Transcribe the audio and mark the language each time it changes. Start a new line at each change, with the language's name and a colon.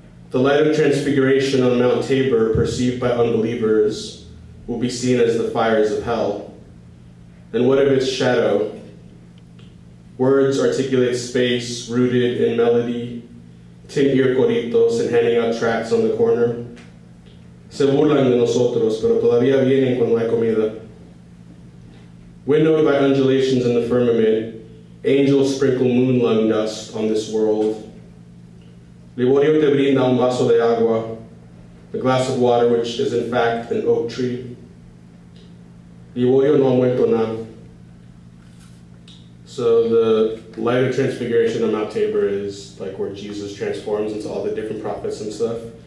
English: The light of transfiguration on Mount Tabor, perceived by unbelievers, will be seen as the fires of hell. And what of its shadow? Words articulate space rooted in melody, tin ear coritos and handing out tracts on the corner.
Spanish: Se burlan de nosotros, pero todavía vienen cuando hay comida.
English: Windowed by undulations in the firmament, angels sprinkle moon lung dust on this world.
Spanish: Liborio te brinda un vaso de agua,
English: a glass of water which is in fact an oak tree.
Spanish: Liborio no ha muerto nada.
English: So the light of transfiguration on Mount Tabor is like where Jesus transforms into all the different prophets and stuff.